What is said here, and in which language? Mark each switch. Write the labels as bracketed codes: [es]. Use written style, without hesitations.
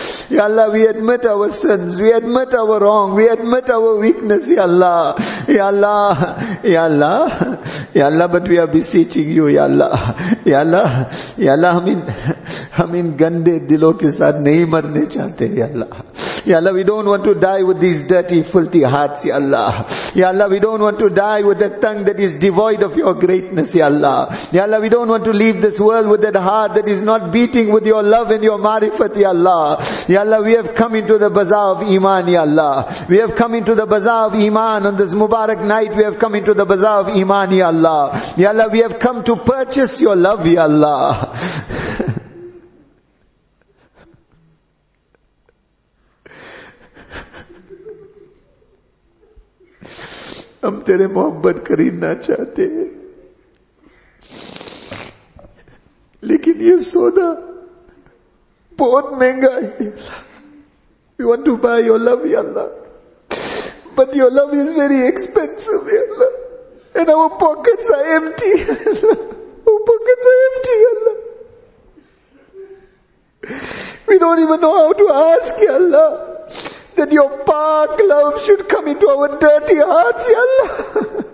[en] یا اللہ we admit our sins, we admit our wrong, we admit our weakness یا اللہ، یا اللہ یا اللہ یا اللہ، but we are beseeching you یا اللہ یا اللہ یا اللہ، ہم ان گندے دلوں کے ساتھ نہیں مرنے چاہتے یا اللہ. Ya Allah, we don't want to die with these dirty, filthy hearts, Ya Allah. Ya Allah, we don't want to die with a tongue that is devoid of your greatness, Ya Allah. Ya Allah, we don't want to leave this world with that heart that is not beating with your love and your marifat, Ya Allah. Ya Allah, we have come into the bazaar of Iman, Ya Allah. We have come into the bazaar of Iman on this Mubarak night. We have come into the bazaar of Iman, Ya Allah. Ya Allah, we have come to purchase your love, Ya Allah. [hi] ہم تیرے محبت خریدنا چاہتے ہیں، لیکن یہ سودا بہت مہنگا ہے. [en] We want to buy your love, Ya Allah. But your love is very expensive, Ya Allah. And our pockets are empty, Ya Allah. Our pockets are empty, Ya Allah. We don't even know how to ask, Ya Allah, that your pak love should come into our dirty hearts, Ya Allah.